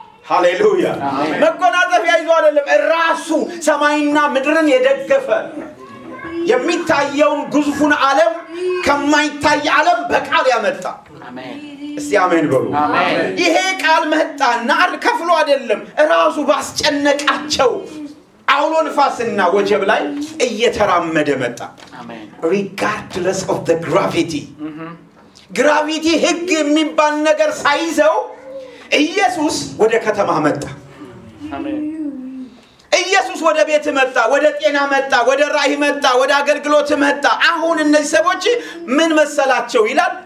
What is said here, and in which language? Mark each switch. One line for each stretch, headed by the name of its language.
Amharic: ሃሌሉያ መጎናጸፊያ ይዞ አይደለም ራሱ ሰማይና ምድርን የደገፈ የሚታየውን ግዙፉን ዓለም ከማይታይ ዓለም በቃል ያመጣ አሜን እስቲ አሜን በሉ አሜን ይሄ ቃል መጣና ከፍሎ አይደለም ራሱ ባስጨነቃቸው አውሎ ንፋስና ወጀብ ላይ እየተራመደ መጣ። አሜን።
English: Regardless of the gravity.
Amharic: ግራቪቲ ህግ የሚባል ነገር ሳይዘው ኢየሱስ ወደ ከተማ መጣ። አሜን። ኢየሱስ ወደ ቤት መጣ፣ ወደ ጤና መጣ፣ ወደ ራህ መጣ፣ ወደ አገልግሎት መጣ። አሁን እነዚህ ሰዎች ምን መሰላቸው ይላል?